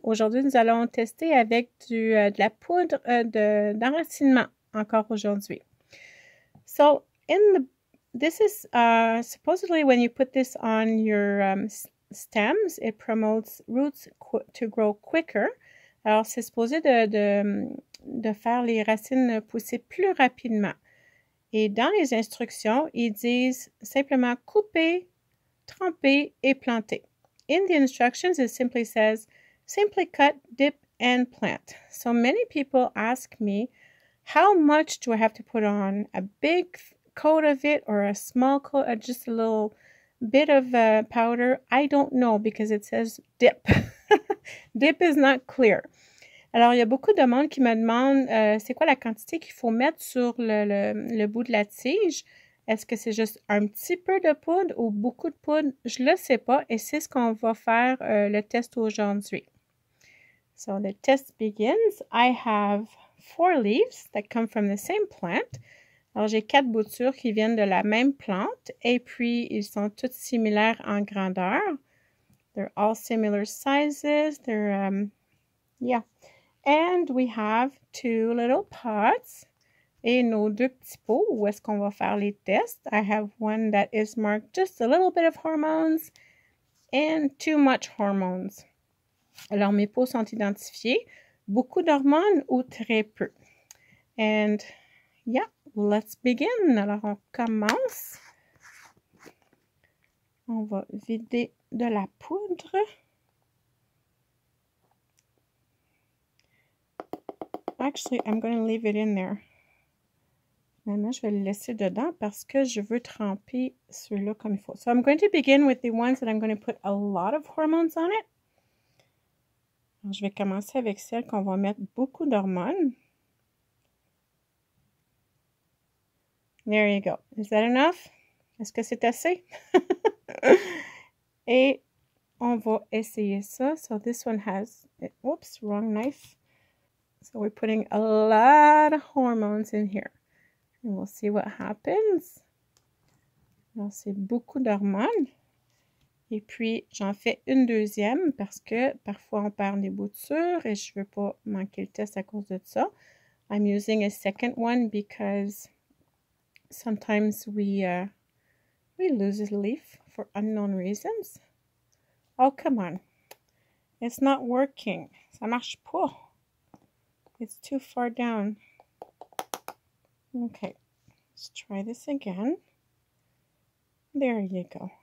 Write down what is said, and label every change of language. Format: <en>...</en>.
<fr>Aujourd'hui, nous allons tester avec de la poudre d'enracinement encore aujourd'hui.</fr> <en>So, this is supposedly when you put this on your stems, it promotes roots to grow quicker.</en> <fr>Alors, c'est supposé de faire les racines pousser plus rapidement. Et dans les instructions, ils disent simplement couper, tremper et planter.</fr> <en>In the instructions, it simply says, simply cut, dip and plant. So many people ask me, how much do I have to put on? A big coat of it or a small coat, or just a little bit of powder? I don't know because it says dip. Dip is not clear.</en> <fr>Alors, il y a beaucoup de monde qui me demande c'est quoi la quantité qu'il faut mettre sur le bout de la tige. Est-ce que c'est juste un petit peu de poudre ou beaucoup de poudre? Je ne le sais pas et c'est ce qu'on va faire le test aujourd'hui.</fr> <en>So, the test begins. I have 4 leaves that come from the same plant.</en> <fr>Alors, j'ai 4 boutures qui viennent de la même plante et puis, ils sont toutes similaires en grandeur.</fr> <en>They're all similar sizes. They're, And we have 2 little pots.</en> <fr>Et nos deux petits pots où est-ce qu'on va faire les tests.</fr> <en>I have one that is marked just a little bit of hormones and too much hormones.</en> <fr>Alors, mes pots sont identifiés. Beaucoup d'hormones ou très peu.</fr> <en>And, yeah, let's begin.</en> <fr>Alors, on commence. On va vider de la poudre.</fr> <en>Actually, I'm going to leave it in there.</en> <fr>Maintenant, je vais le laisser dedans parce que je veux tremper celui-là comme il faut.</fr> <en>So, I'm going to begin with the ones that I'm going to put a lot of hormones on it.</en> <fr>Alors, je vais commencer avec celles qu'on va mettre beaucoup d'hormones.</fr> <en>There you go. Is that enough?</en> <fr>Est-ce que c'est assez? Et on va essayer ça.</fr> <en>So, this one has... Oops, wrong knife. So we're putting a lot of hormones in here. And we'll see what happens.</en> <fr>Alors, c'est beaucoup d'hormones. Et puis, j'en fais une deuxième parce que parfois on perd des boutures et je ne veux pas manquer le test à cause de ça.</fr> <en>I'm using a second one because sometimes we lose a leaf for unknown reasons. Oh, come on. It's not working.</en> <fr>Ça marche pas.</fr> <en>It's too far down. Okay, let's try this again. There you go.</en>